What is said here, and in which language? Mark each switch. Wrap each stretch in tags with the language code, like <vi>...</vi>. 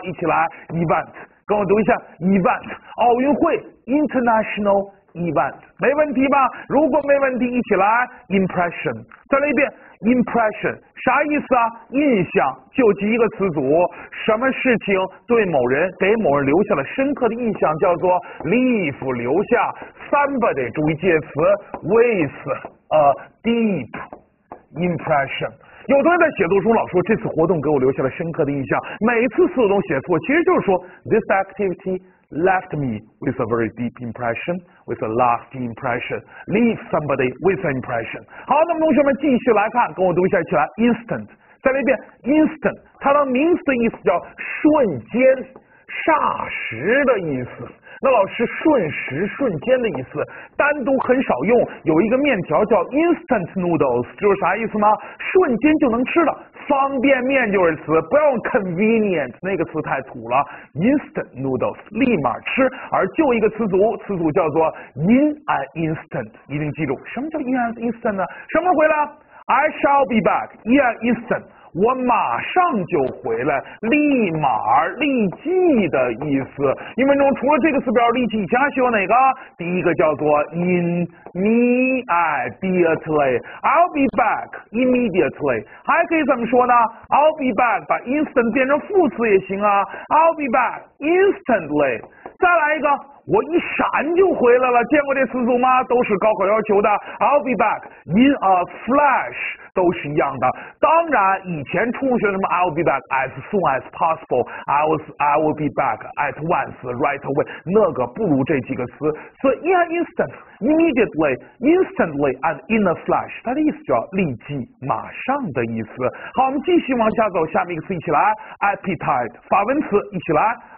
<zh>一起来 event， 跟我读一下 event， 奥运会 international event， 没问题吧？如果没问题，一起来 impression， 再来一遍。 impression 啥意思啊？印象，就记一个词组，什么事情对某人给某人留下了深刻的印象，叫做 leave 留下。 somebody 注意介词 with a deep impression。有的人在写作中老说这次活动给我留下了深刻的印象，每次词都写错，其实就是说</zh> <en>this activity left me with a very deep impression。 With a lasting impression, leave somebody with an impression.</en> <zh>好，那么同学们继续来看，跟我读一下起来。Instant， 再来一遍。 Instant， 它的名词的意思叫瞬间、霎时的意思。那老师，瞬时、瞬间的意思单独很少用。有一个面条叫 instant noodles， 就是啥意思吗？瞬间就能吃的。方便面就是词，不用 convenient， 那个词太土了。 instant noodles， 立马吃，而就一个词组，词组叫做 in an instant， 一定记住，什么叫 in an instant 呢？什么回来？</zh> <en>I shall be back in an instant，</en> <zh>我马上就回来，立马、立即的意思。英文中除了这个词表，立即，以前还学过哪个？第一个叫做 in。 Immediately，</zh> <en>I'll be back immediately，</en> <zh>还可以怎么说呢？ I'll be back 把 instant 变成副词也行啊，</zh> <en>I'll be back instantly。</en> <zh>再来一个，我一闪就回来了，见过这词组吗？都是高考要求的，</zh> <en>I'll be back in a flash，</en> <zh>都是一样的。当然以前初中学什么</zh> <en>I'll be back as soon as possible， I will be back at once right away，</en> <zh>那个不如这几个词。所以 in an instant、immediately、instantly and in a flash， 它的意思叫立即、马上的意思。好，我们继续往下走，下面一个词一起来， appetite， 法文词，一起来。</zh>